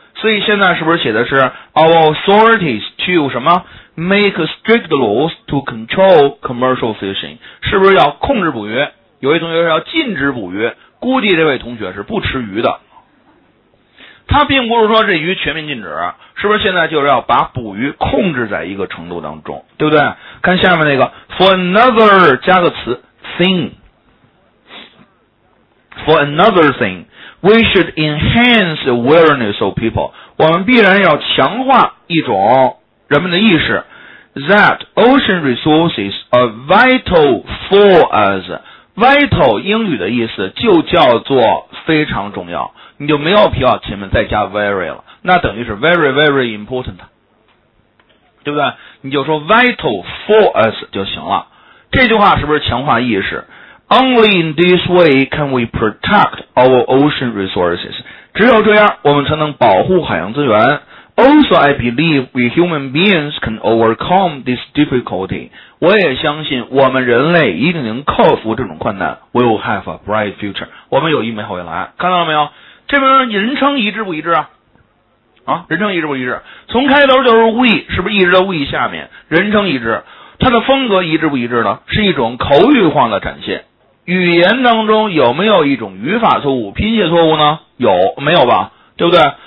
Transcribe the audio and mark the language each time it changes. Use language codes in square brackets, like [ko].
[zh] 所以现在是不是写的是 [en] our authorities to [zh] 什么 [en] make strict laws to control commercial fishing， [zh] 是不是要控制捕鱼？有一同学要禁止捕鱼，估计这位同学是不吃鱼的。他并不是说这鱼全面禁止，是不是现在就是要把捕鱼控制在一个程度当中，对不对？看下面那个 [en] for another [zh] 加个词 [en] thing， for another thing we should enhance awareness of people， [zh] 我们必然要强化一种人们的意识 [en] that ocean resources are vital for us。 [zh] vital 英语的意思就叫做非常重要，你就没有必要前面再加 very 了，那等于是 [en] very very important， [zh] 对不对？你就说 [en] vital for us [zh] 就行了。这句话是不是强化意识？ [en] Only in this way can we protect our ocean resources， [zh] 只有这样我们才能保护海洋资源。 [en] Also I believe we human beings can overcome this difficulty， [zh] 我也相信我们人类一定能克服这种困难。 [en] We'll have a bright future， [zh] 我们有一美好未来。看到了没有？这边人称一致不一致啊？啊，人称一致不一致？从开头就是 we， 是不是一直到 we 下面？人称一致，它的风格一致不一致呢？是一种口语化的展现。语言当中有没有一种语法错误、拼写错误呢？有，没有吧？对不对？